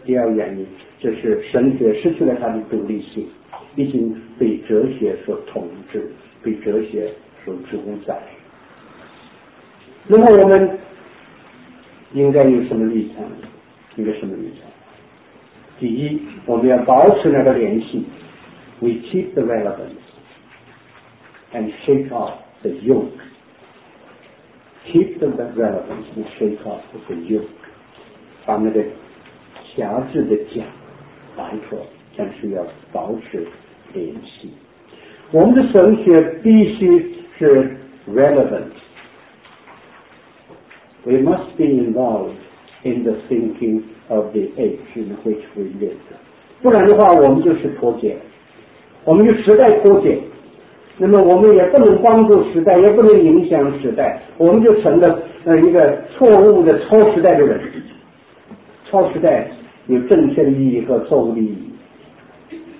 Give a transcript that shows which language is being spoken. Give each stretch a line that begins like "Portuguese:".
Chinese: 第二个原因就是神学失去了它的独立性，已经被哲学所统治，被哲学所主宰。那么我们应该有什么立场？应该什么立场？第一，我们要保持那个联系。
English: We keep the relevance and shake off the yoke. Keep the relevance and shake off the yoke.
Chinese: 把那个狭制的枷拔出来，但是要保持联系。我们的神学必须是 relevant.
English: We must be involved in the thinking of the age in which we live.
Chinese: 不然的话，我们就是脱节。我们与时代脱节，那么我们也不能帮助时代，也不能影响时代，我们就成了一个错误的超时代的人。超时代有正确的意义和错误的意义。